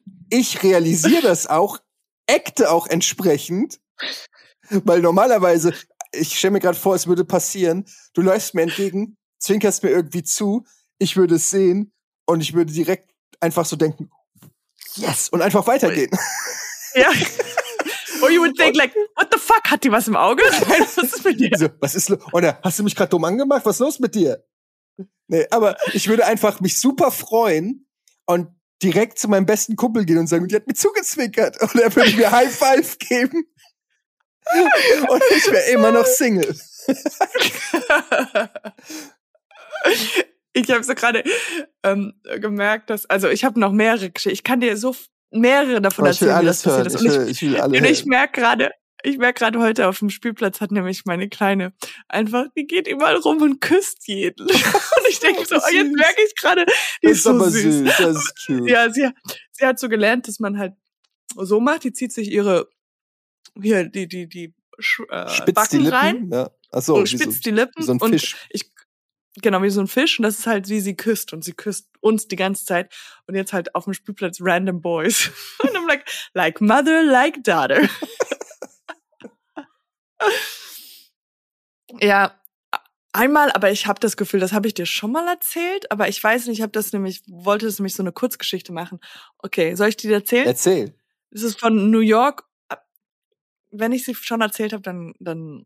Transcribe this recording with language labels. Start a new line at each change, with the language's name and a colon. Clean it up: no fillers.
German: Ich realisiere das auch, acte auch entsprechend. Weil normalerweise, ich stelle mir gerade vor, es würde passieren. Du läufst mir entgegen, zwinkerst mir irgendwie zu. Ich würde es sehen und ich würde direkt einfach so denken, yes, und einfach weitergehen. Ja. Oh
English: you would think, like, what the fuck,
German: hat die was im Auge? Was ist mit dir? So, was ist los? Oder hast du mich gerade dumm angemacht? Was ist los mit dir? Nee, aber ich würde einfach mich super freuen und direkt zu meinem besten Kumpel gehen und sagen, die hat mir zugezwinkert. Und er würde mir High Five geben. Und ich wäre immer noch Single. Ich habe so gerade gemerkt, dass, also ich habe noch mehrere Geschichten. Ich kann dir so mehrere davon erzählen. Ich will alles hören. Ich will alle hören. Ich merke gerade, heute auf dem Spielplatz hat nämlich meine Kleine einfach, die geht überall rum und küsst jeden. Und ich denke so, jetzt merke ich gerade, die ist so süß. Das ist aber süß, das ist cute. Ja, sie hat so gelernt, dass man halt so macht, die zieht sich ihre, hier, die spitzt Backen die Lippen, rein. Ja. Ach so, und spitzt so, die Lippen. Wie so ein und Fisch. Wie so ein Fisch. Und das ist halt, wie sie küsst. Und sie küsst uns die ganze Zeit. Und jetzt halt auf dem Spielplatz
English: random boys.
German: Und
English: I'm like mother, like daughter.
German: Ja, einmal, aber ich habe das Gefühl, das habe ich dir schon mal erzählt, aber ich weiß nicht, ich wollte nämlich so eine Kurzgeschichte machen. Okay, soll ich die dir erzählen? Erzähl. Es ist von New York. Wenn ich sie schon erzählt habe, dann.